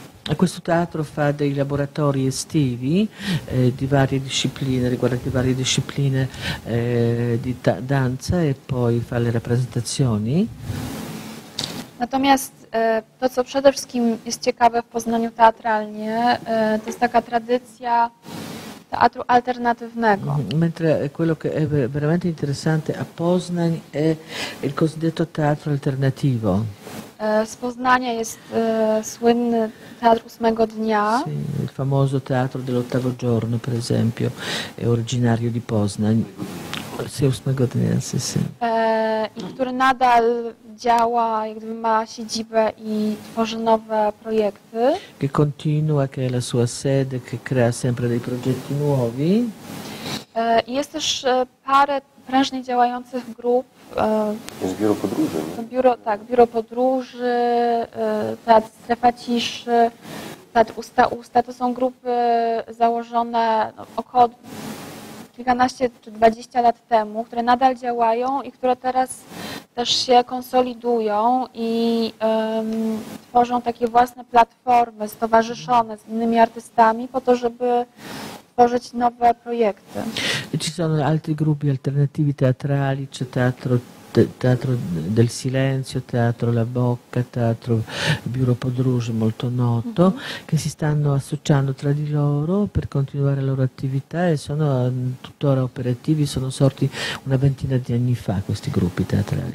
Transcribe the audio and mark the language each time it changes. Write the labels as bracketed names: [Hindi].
[Italian] A questo teatro fa dei laboratori estivi di varie discipline di danza e poi fa le rappresentazioni. [Polish] Natomiast to, co przede wszystkim jest ciekawe w Poznaniu teatralnie, to jest taka tradycja teatru alternatywnego. [Italian] Mentre quello che è veramente interessante a Poznań è il cosiddetto teatro alternativo. [Polish] Z Poznania jest słynny teatr ósmego dnia. [Italian] Sì, il famoso teatro dell'ottavo giorno, per esempio, è originario di Poznań. Sì, ósmego dnia, sì, sì. [Polish] I który nadal działa, jakby ma siedzibę i tworzy nowe projekty. [Italian] Che continua, che è la sua sede, che crea sempre dei progetti nuovi. [Polish] Jest też parę prężnie działających grup. Jest biuro podróży. Nie? Biuro, tak, biuro podróży, teatr Strefa Ciszy, teatr Usta Usta. To są grupy założone około kilkanaście czy dwadzieścia lat temu, które nadal działają i które teraz też się konsolidują i tworzą takie własne platformy stowarzyszone z innymi artystami po to, żeby tworzyć nowe projekty. [Italian] Ci sono altri gruppi alternativi teatrali, c'è teatro del silenzio, teatro La Bocca, teatro Bureau Podruge, molto noto, che si stanno associando tra di loro per continuare la loro attività e sono tuttora operativi, sono sorti una ventina di anni fa questi gruppi teatrali.